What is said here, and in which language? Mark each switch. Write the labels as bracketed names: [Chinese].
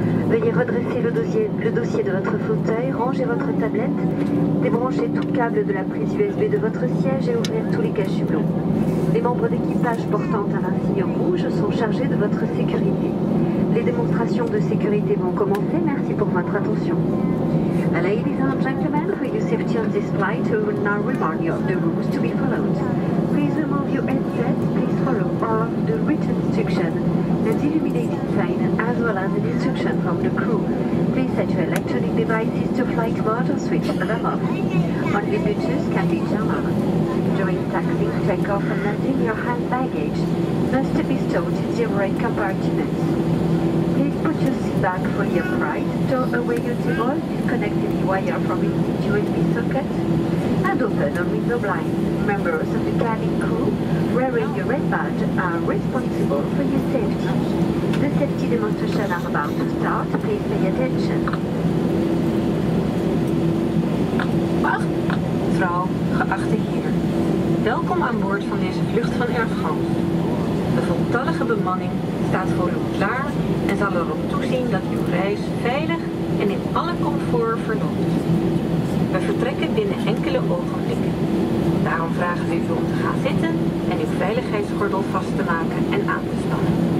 [French] Veuillez redresser le dossier de votre fauteuil, ranger votre tablette, débrancher tout câble de la prise USB de votre siège et ouvrir tous les cache-hublots. Les membres d'équipage portant un insigne rouge sont chargés de votre sécurité. Les démonstrations de sécurité vont commencer. Merci pour votre attention. [English] Ladies and gentlemen, for your safety on this flight, we will now remind you of the rules to be followed. Please remove your headset, please follow all the written instructions, the illuminated sign, as well as an instruction from the crew. Please set your electronic devices to flight mode or switch them off. Only Bluetooth can be turned on. During taxi, takeoff and landing, your hand baggage must be stored in the overhead compartments. Put your seat back fully upright, throw away your table, disconnect any wire from its USB socket, and open a window blind. Members of the cabin crew wearing your red badge are responsible for your safety. The safety demonstrations are about to start, please pay attention. [Dutch] Ach, vrouw, geachte heer. Welkom aan boord van deze vlucht van Air France. De voltallige bemanning staat voor u klaar en zal erop toezien dat uw reis veilig en in alle comfort verloopt. We vertrekken binnen enkele ogenblikken. Daarom vragen we u om te gaan zitten en uw veiligheidsgordel vast te maken en aan te spannen.